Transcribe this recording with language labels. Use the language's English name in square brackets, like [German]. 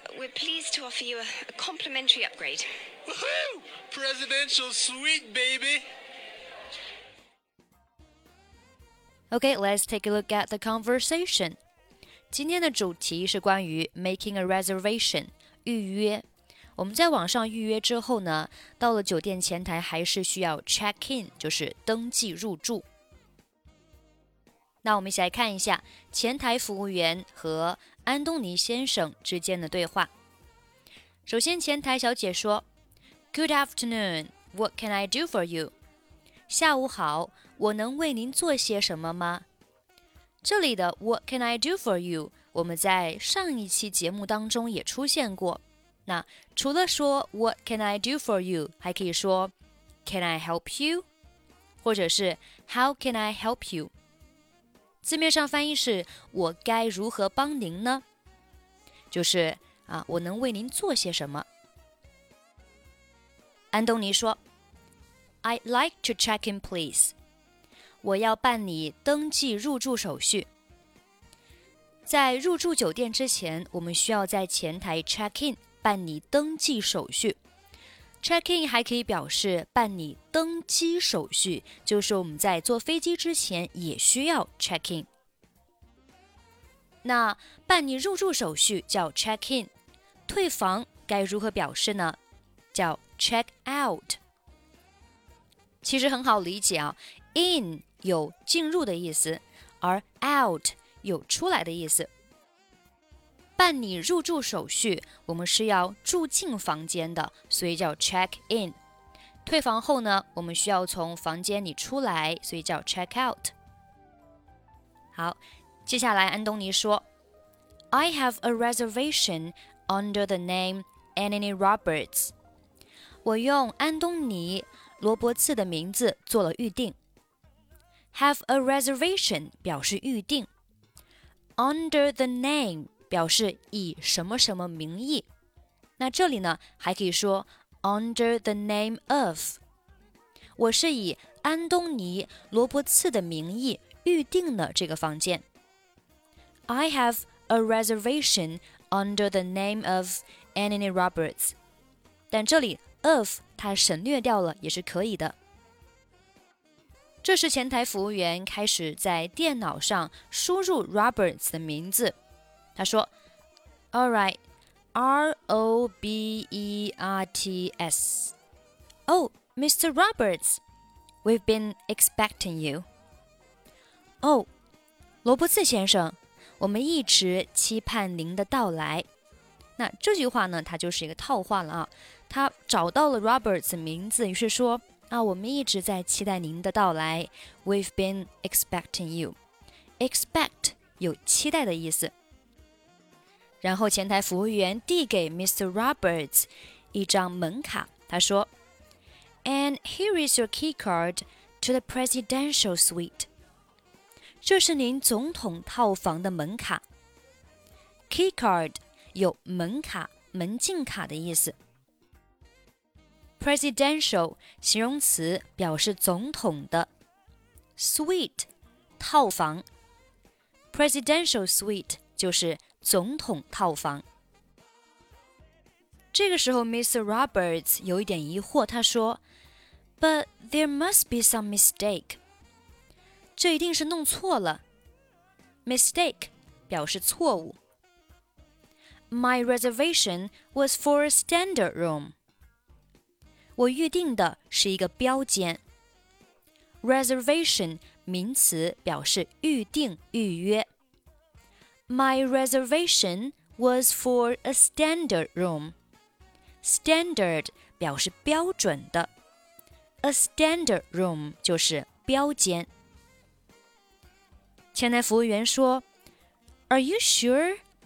[English] We're pleased to offer you a complimentary upgrade. Woohoo! Presidential suite, baby! Okay, let's take a look at the conversation. [Chinese] 今天的主题是关于 [English] making a reservation, [Chinese] 预约。我们在网上预约之后呢，到了酒店前台还是需要 check in, 就是登记入住。那我们一起来看一下前台服务员和安东尼先生之间的对话。首先前台小姐说 [English] Good afternoon, what can I do for you? [Chinese] 下午好，我能为您做些什么吗？这里的 [English] what can I do for you? [Chinese] 我们在上一期节目当中也出现过。那除了说 [English] what can I do for you? [Chinese] 还可以说 [English] can I help you? [Chinese] 或者是 [English] how can I help you? [Chinese] 字面上翻译是我该如何帮您呢就是啊，我能为您做些什么安东尼说 [English] I'd like to check in please [Chinese] 我要办理登记入住手续在入住酒店之前我们需要在前台 check in 办理登记手续 check in 还可以表示办理登机手续就是我们在坐飞机之前也需要 check in 那办理入住手续叫 check in 退房该如何表示呢叫 check out 其实很好理解啊 in 有进入的意思而 out 有出来的意思办理入住手续我们是要住进房间的所以叫 check in退房后呢，我们需要从房间里出来，所以叫 check out。好，接下来安东尼说 [English] ，I have a reservation under the name Anthony Roberts。 [Chinese] 我用安东尼·罗伯茨的名字做了预定。 [English] Have a reservation [Chinese] 表示预定 ， [English] under the name [Chinese] 表示以什么什么名义。那这里呢，还可以说。 [English] Under the name of [Chinese] 我是以安东尼·罗伯茨的名义预定了这个房间 [English] I have a reservation under the name of Anthony Roberts [Chinese] 但这里 of 它省略掉了也是可以的这时前台服务员开始在电脑上输入 Roberts 的名字他说 [English] All rightR-O-B-E-R-T-S Oh, Mr. Roberts, we've been expecting you. [Chinese] Oh, 罗伯茨先生,我们一直期盼您的到来。那这句话呢,它就是一个套话了啊。他找到了 Roberts 名字,于是说,啊,我们一直在期待您的到来。 [English] We've been expecting you. [Chinese] Expect 有期待的意思。然后前台服务员递给 Mr. [English] Roberts [Chinese] 一张门卡，他说 [English] And here is your key card to the presidential suite. [Chinese] 这是您总统套房的门卡。Key card 有门卡、门禁卡的意思。 Presidential 形容词表示总统的。 Suite 套房。Presidential suite 就是总统套房这个时候 Mr. Roberts 有一点疑惑他说 [English] But there must be some mistake [Chinese] 这一定是弄错了 Mistake 表示错误。 [English] My reservation was for a standard room. [Chinese] 我预定的是一个标间。 Reservation 名词表示预定、预约。 [English] My reservation was for a standard room. [Chinese] Standard 表示标准的。 [English] A standard room [Chinese] 就是标间。前台服务员说 [English] Are you sure?